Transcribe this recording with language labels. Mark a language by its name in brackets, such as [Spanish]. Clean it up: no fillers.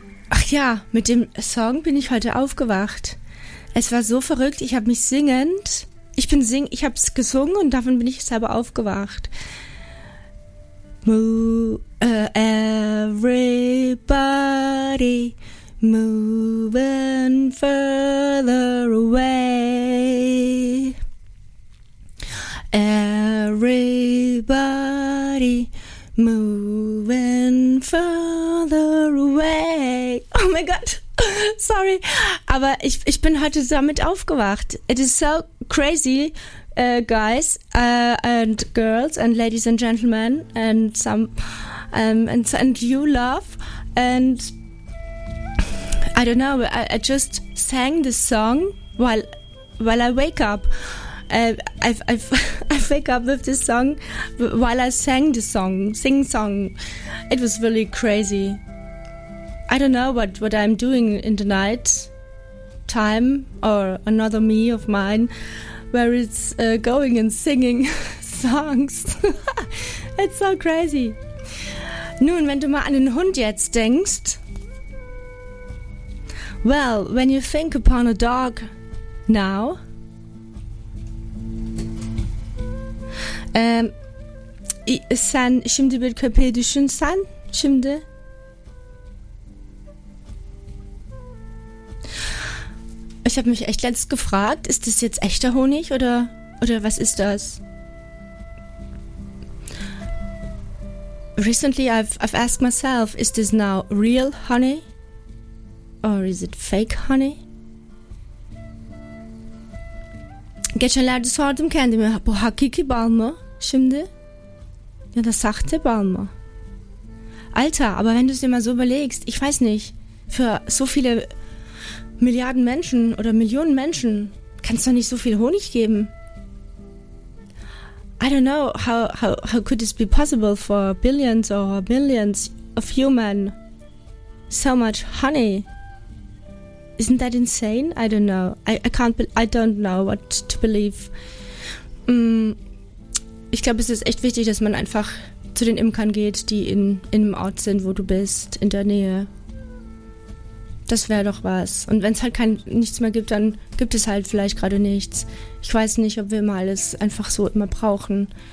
[German] Ach ja, mit dem Song bin ich heute aufgewacht. Es war so verrückt, ich habe es gesungen und davon bin ich selber aufgewacht. [English] Everybody moving further away. Everybody moving further away. [German] Oh mein Gott, sorry. Aber ich bin heute damit aufgewacht. [English] It is so crazy. Guys and girls and ladies and gentlemen and some and you love and I don't know, I just sang this song while I wake up. I wake up with this song while I sang the song, sing song. It was really crazy. I don't know what I'm doing in the night time or another me of mine. where it's going and singing songs. It's so crazy. [German] Nun, wenn du mal an den Hund jetzt denkst. [English] Well, when you think upon a dog now. [Turkish] Sen şimdi bir köpeği düşünsen, şimdi. [German] Ich habe mich echt letztens gefragt, ist das jetzt echter Honig oder was ist das? [English] Recently I've asked myself, is this now real honey? Or is it fake honey? [Turkish] Geçenlerde sordum kendime, bu hakiki bal mı şimdi? [German] Ja, das [Turkish] sahte Balma. [German] Alter, aber wenn du es dir mal so überlegst, ich weiß nicht, für so viele Milliarden Menschen oder Millionen Menschen kannst du doch nicht so viel Honig geben. [English] I don't know, how could this be possible for billions or millions of human so much honey? Isn't that insane? I don't know. I don't know what to believe. [German] Ich glaube, es ist echt wichtig, dass man einfach zu den Imkern geht, die in einem Ort sind, wo du bist, in der Nähe. Das wäre doch was. Und wenn es halt nichts mehr gibt, dann gibt es halt vielleicht gerade nichts. Ich weiß nicht, ob wir immer alles einfach so immer brauchen.